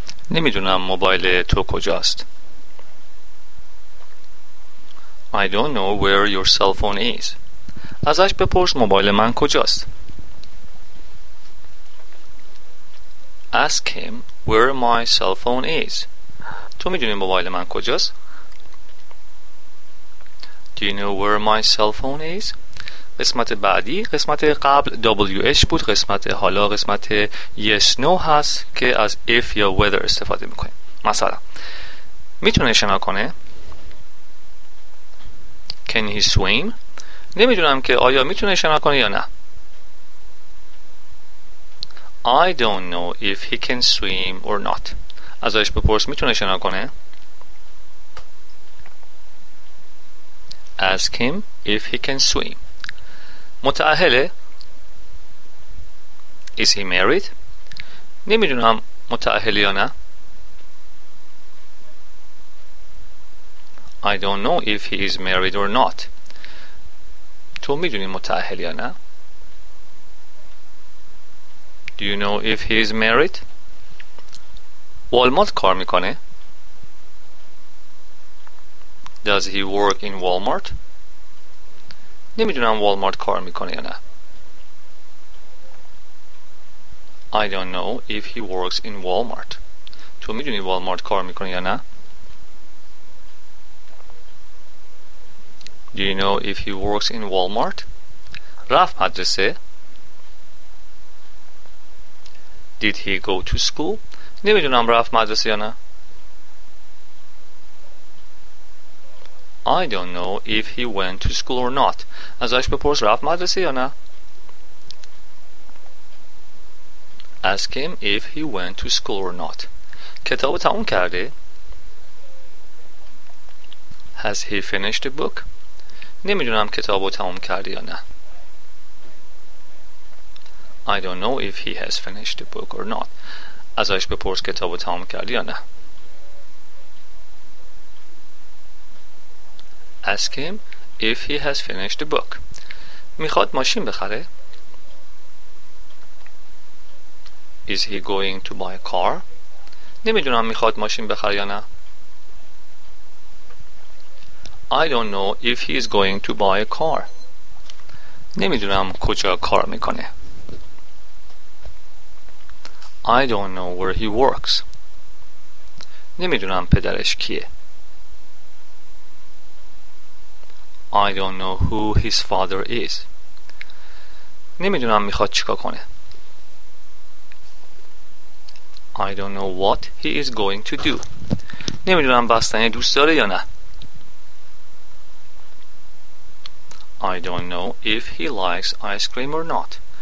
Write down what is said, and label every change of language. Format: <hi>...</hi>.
<fa>نمیدونم موبایل تو کجاست.</fa> <en>I don't know where your cell phone is.</en> <fa>ازش بپرس موبایل من کجاست.</fa> <en>Ask him where my cell phone is.</en> <fa>تو میدونی موبایل من کجاست؟</fa> <en>Do you know where my cell phone is?</en> <fa>قسمت بعدی، قسمت قبل WH بود، قسمت حالا قسمت yes no هست که از if یا whether استفاده میکنیم. مثلا میتونه شنا کنه؟</fa> <en>Can he swim؟</en> <fa>نمیدونم که آیا میتونه شنا کنه یا نه.</fa> <en>I don't know if he can swim or not.</en> <fa>ازش بپرس میتونه شنا کنه؟</fa> <en>Ask him if he can swim.</en> <fa>متأهله؟</fa> <en>Is he married؟</en> <fa>نمیدونم متأهله یا نه.</fa> <en>I don't know if he is married or not.</en> <fa>تو میدونی متأهله یا نه؟</fa> <en>Do you know if he is married? Walmart</en> <fa>کار میکنه؟</fa> <en>Does he work in Walmart?</en> <fa>نمیدونم Walmart کار میکنه یا نه.</fa> <en>I don't know if he works in Walmart.</en> <fa>تو میدونی Walmart کار میکنه یا نه؟</fa> <en>Do you know if he works in Walmart?</en> <fa>رفت مدرسه؟</fa> <en>Did he go to school?</en> <fa>نمیدونم رفت مدرسه یا نه.</fa> <en>I don't know if he went to school or not.</en> <fa>ازش بپرس رفت مدرسه یا نه.</fa> <en>Ask him if he went to school or not.</en> <fa>کتاب تموم کرده؟</fa> <en>Has he finished the book?</en> <fa>نمیدونم کتابو تموم کرده یا نه.</fa> <en>I don't know if he has finished the book or not.</en> <fa>ازش بپرس کتاب رو تمام کردی یا نه.</fa> <en>Ask him if he has finished the book.</en> <fa>میخواد ماشین بخره؟</fa> <en>Is he going to buy a car?</en> <fa>نمیدونم میخواد ماشین بخره یا نه.</fa> <en>I don't know if he is going to buy a car.</en> <fa>نمیدونم کجا کار میکنه.</fa> <en>I don't know where he works.</en> <fa>نمیدونم پدرش کیه.</fa> <en>I don't know who his father is.</en> <fa>نمیدونم میخواد چیکار کنه.</fa> <en>I don't know what he is going to do.</en> <fa>نمیدونم بستنی دوست داره یا نه.</fa> <en>I don't know if he likes ice cream or not.</en>